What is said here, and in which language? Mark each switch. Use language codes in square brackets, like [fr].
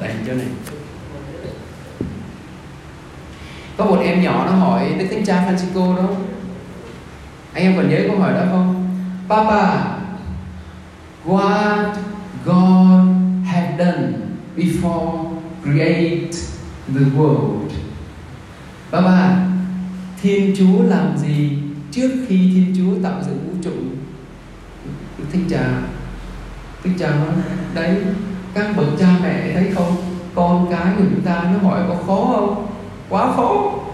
[vi] Đành cho này, có một em nhỏ nó hỏi Đức Thánh Cha Francisco đó, anh em còn nhớ câu hỏi đó không? [en] Papa, what God had done before create the world? [vi] Papa, Thiên Chúa làm gì trước khi Thiên Chúa tạo dựng vũ trụ? Đức Thánh Cha nói, đấy, các bậc cha mẹ thấy không? Con cái của chúng ta nó hỏi có khó không? Quá khó.